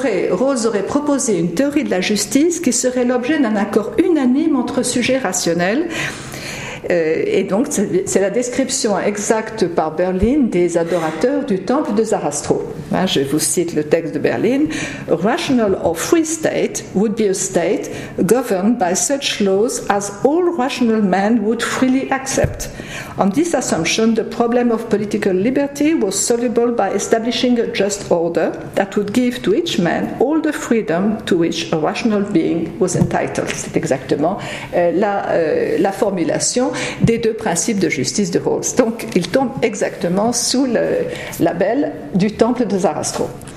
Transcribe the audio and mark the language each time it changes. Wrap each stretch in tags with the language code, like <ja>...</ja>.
<fr>Rawls aurait proposé une théorie de la justice qui serait l'objet d'un accord unanime entre sujets rationnels. Et donc, c'est la description exacte par Berlin des adorateurs du temple de Zarathustra. Hein, je vous cite le texte de Berlin.</fr> <en>Rational or free state would be a state governed by such laws as all rational men would freely accept. On this assumption, the problem of political liberty was solvable by establishing a just order that would give to each man all the freedom to which a rational being was entitled.</en> <fr>C'est exactement la formulation des deux principes de justice de Rawls. Donc, il tombe exactement sous le label du temple de Zarathustra.</fr>